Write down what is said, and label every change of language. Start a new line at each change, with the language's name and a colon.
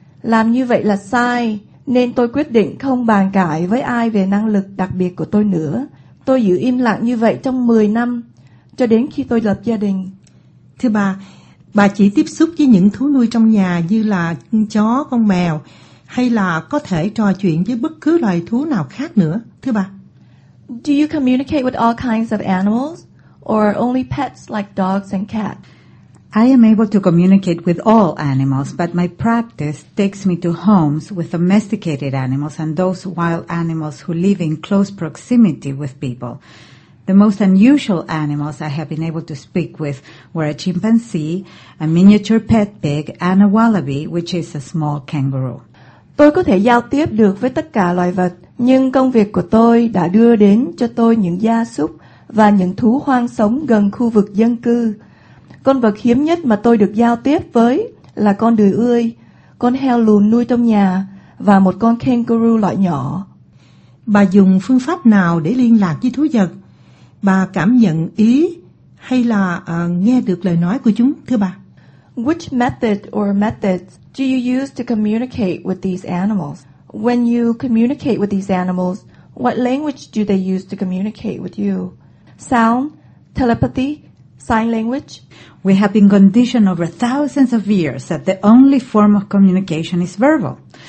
Vietnamese: Làm như vậy là sai, nên tôi quyết định không bàn cãi với ai về năng lực đặc biệt của tôi nữa. Tôi giữ im lặng như vậy trong 10 năm, cho đến khi tôi lập gia đình. Thưa bà, bà chỉ tiếp xúc với những thú nuôi trong nhà như là con chó, con mèo, hay là có thể trò chuyện với bất cứ loài thú nào khác nữa, thưa bà?
English: Do you communicate with all kinds of animals, or only pets like dogs and cats? I am able to communicate with all animals, but my practice takes me to homes with domesticated animals and those wild animals who live in close proximity with people. The most unusual animals I have been able to speak with were a chimpanzee, a miniature pet pig, and a wallaby, which is a small kangaroo.
Vietnamese: Tôi có thể giao tiếp được với tất cả loài vật, nhưng công việc của tôi đã đưa đến cho tôi những gia súc và những thú hoang sống gần khu vực dân cư. Con vật hiếm nhất mà tôi được giao tiếp với là con đười ươi, con heo lùn nuôi trong nhà và một con kangaroo loại nhỏ. Bà dùng phương pháp nào để liên lạc với thú vật? Bà cảm nhận ý hay là nghe được lời nói của chúng, thưa bà?
English: Which method or methods do you use to communicate with these animals? When you communicate with these animals, what language do they use to communicate with you? Sound, telepathy, sign language? We have been conditioned over thousands of years that the only form of communication is verbal.